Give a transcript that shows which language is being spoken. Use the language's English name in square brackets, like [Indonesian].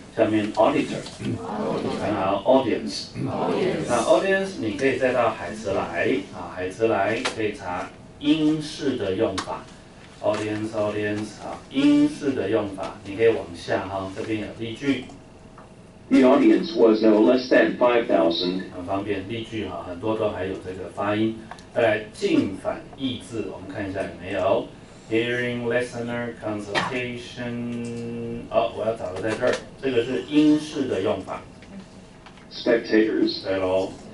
[Chinese] 下面 auditor， 然后 audience， 那 audience 你可以再到海慈来啊，海慈来可以查英式的用法。 audience 啊，英式的用法，你可以往下哈，这边有例句。 [English] The audience was no less than 5,000. [Chinese] 很方便，例句哈，很多都还有这个发音。再来，近反义字，我们看一下有没有。 [English] Hearing listener consultation. [Chinese] 哦，我要找的在这儿，这个是英式的用法。 [English] Spectators. [Chinese] 对喽。